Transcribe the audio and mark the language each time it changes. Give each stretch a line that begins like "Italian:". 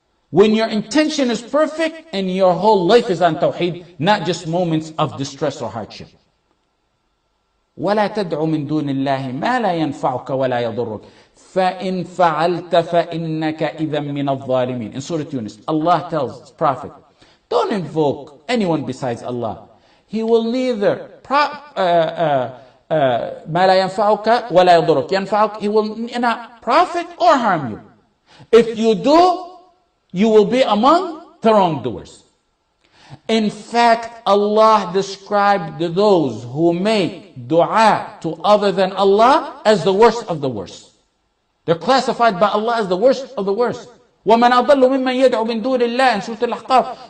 English: When your intention is perfect and your whole life is on tawheed, not just moments of distress or hardship.
Arabic: وَلَا تَدْعُ مِن دُونِ اللَّهِ مَا لَا يَنْفَعُكَ وَلَا يَضُرُّكَ فَإِنْ فَعَلْتَ فَإِنَّكَ إِذًا مِنَ الظَّالِمِينَ.
English: In Surah Yunus, Allah tells His Prophet, don't invoke anyone besides Allah. He will neither
Arabic: مَا لَا يَنْفَعُكَ وَلَا يَضُرُّكَ يَنْفَعُكَ.
English: He will not profit or harm you. If you do, you will be among the wrongdoers. In fact, Allah described those who make dua to other than Allah as the worst of the worst. They're classified by Allah as the worst of the worst.
Arabic: وَمَنْ أَضَلُّ مِمَّنْ يَدْعُ مِنْ دُونِ اللَّهِ
English: in Surah Al-Ahqaf.